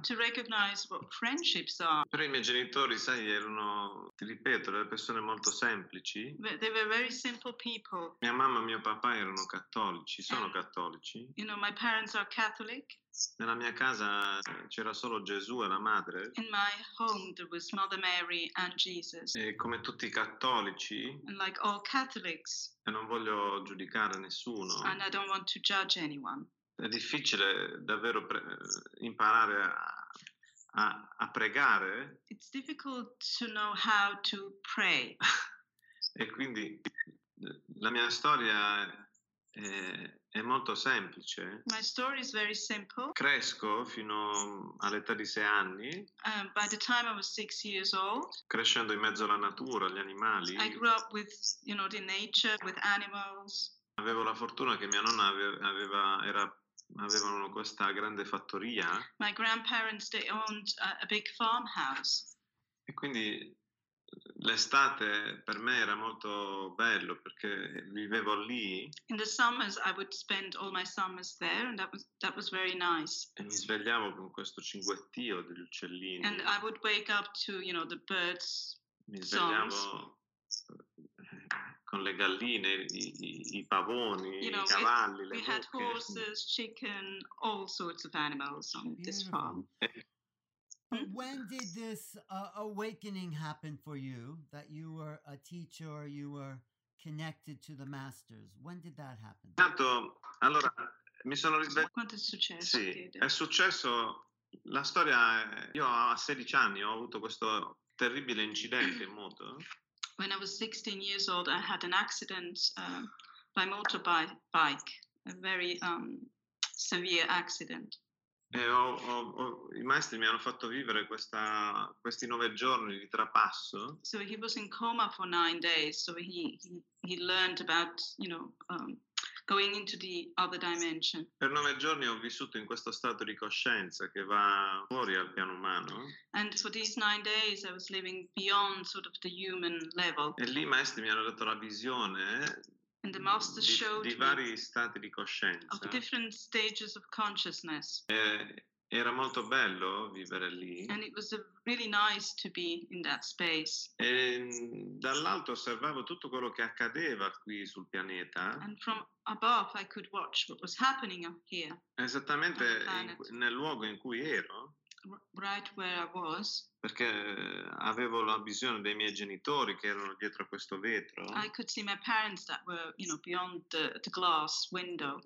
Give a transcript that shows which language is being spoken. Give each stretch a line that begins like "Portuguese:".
English: To recognize what friendships are.
Italian: Però i miei genitori, sai, erano, ti ripeto, delle persone molto semplici.
English: They were very simple people.
Italian: Mia mamma e mio papà erano cattolici, sono cattolici.
English: You know, my parents are Catholic.
Italian: Nella mia casa c'era solo Gesù e la madre.
English: In my home there was Mother Mary and Jesus.
Italian: E come tutti i cattolici.
English: And like all Catholics.
Italian: E non voglio giudicare nessuno.
English: And I don't want to judge anyone.
Italian: È difficile davvero imparare a pregare.
English: It's difficult to know how to pray.
Italian: E quindi la mia storia è molto semplice.
English: My story is very simple.
Italian: Cresco fino all'età di 6 anni.
English: By the time I was 6 years old.
Italian: Crescendo in mezzo alla natura, agli animali.
English: I grew up with, you know, the nature, with animals.
Italian: Avevo la fortuna che mia nonna avevano questa grande fattoria.
English: My grandparents, they owned a big farmhouse.
Italian: E quindi l'estate per me era molto bello perché vivevo lì.
English: In the summers I would spend all my summers there and that was very nice.
Italian: E mi svegliavo con questo cinguettio degli uccellini.
English: And I would wake up to, you know, the birds.
Italian: Mi svegliavo con le galline, i pavoni,
English: you know,
Italian: i cavalli, le mucche.
English: We had horses, chicken, all sorts of animals on this farm. When did this awakening happen for you, that you were a teacher, you were connected to the masters? When did that happen?
Italian: Intanto, allora, mi sono risvegliato. Quanto è successo? Sì, è successo, la storia, io a 16 anni ho avuto questo terribile incidente in moto.
English: When I was 16 years old, I had an accident by motorbike, a very severe accident.
Italian: E i maestri mi hanno fatto vivere questi 9 giorni di trapasso.
English: So he was in coma for 9 days, so he learned about, you know, going into the other dimension.
Italian: Per 9 giorni ho vissuto in questo stato di coscienza che va fuori al piano umano.
English: And for these 9 days I was living beyond sort of the human level.
Italian: E lì i maestri mi hanno dato la visione
English: And the master showed
Italian: di vari stati di coscienza.
English: Of different stages of consciousness.
Italian: Era molto bello vivere lì.
English: And it was really nice to be in that space.
Italian: E dall'alto osservavo tutto quello che accadeva qui sul pianeta.
English: And from above I could watch what was happening up here.
Italian: Esattamente nel luogo in cui ero.
English: Right where I was.
Italian: Perché avevo la visione dei miei genitori che erano dietro questo vetro.
English: I could see my parents that were, you know, beyond the glass window.